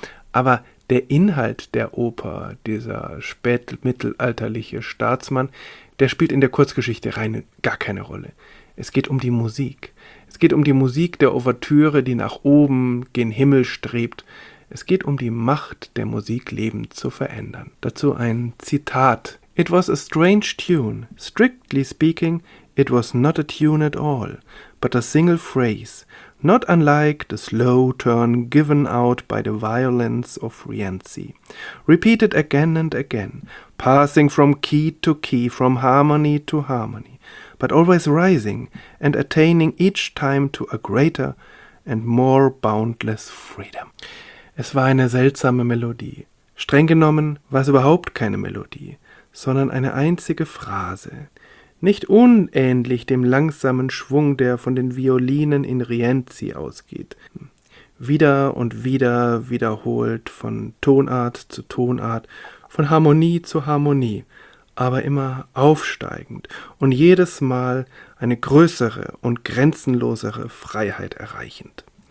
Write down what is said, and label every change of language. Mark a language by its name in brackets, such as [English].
[German] Aber der Inhalt der Oper, dieser spätmittelalterliche Staatsmann, der spielt in der Kurzgeschichte rein gar keine Rolle. Es geht um die Musik. Es geht um die Musik der Ouvertüre, die nach oben, gen Himmel strebt. Es geht um die Macht der Musik, Leben zu verändern. Dazu ein Zitat. [English] It was a strange tune. Strictly speaking, it was not a tune at all, but a single phrase, not unlike the slow turn given out by the violins of Rienzi, repeated again and again, passing from key to key, from harmony to harmony, but always rising and attaining each time to a greater and more boundless freedom. [German] Es war eine seltsame Melodie. Streng genommen war es überhaupt keine Melodie, sondern eine einzige Phrase. Nicht unähnlich dem langsamen Schwung, der von den Violinen in Rienzi ausgeht. Wieder und wieder wiederholt von Tonart zu Tonart, von Harmonie zu Harmonie, aber immer aufsteigend und jedes Mal eine größere und grenzenlosere Freiheit erreichend.